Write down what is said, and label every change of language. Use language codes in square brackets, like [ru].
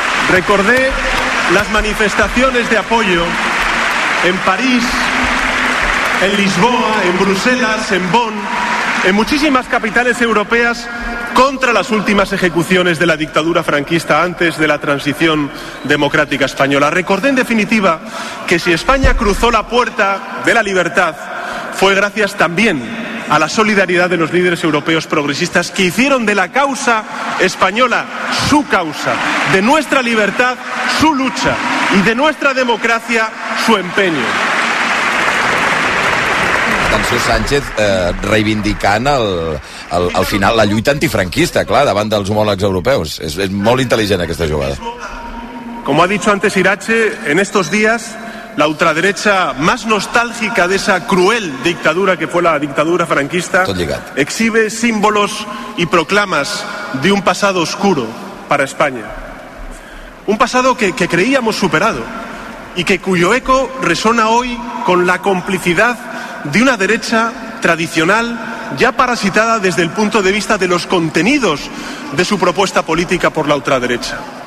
[es] Recordé las manifestaciones de apoyo en París, en Lisboa, en Bruselas, en Bonn, en muchísimas capitales europeas contra las últimas ejecuciones de la dictadura franquista antes de la transición democrática española. Recordé, en definitiva, que si España cruzó la puerta de la libertad, fue gracias también a la solidaridad de los líderes europeos progresistas que hicieron de la causa española su causa, de nuestra libertad su lucha y de nuestra democracia su empeño. [ca] Atenció, Sánchez, reivindicant al final la lluita antifranquista, clar, davant dels homòlegs europeus. És molt intel·ligent aquesta jugada. [es] Como ha dicho antes Irache, en estos días la ultraderecha más nostálgica de esa cruel dictadura que fue la dictadura franquista exhibe símbolos y proclamas de un pasado oscuro para España. Un pasado que creíamos superado y que cuyo eco resona hoy con la complicidad de una derecha tradicional ya parasitada desde el punto de vista de los contenidos de su propuesta política por la ultraderecha.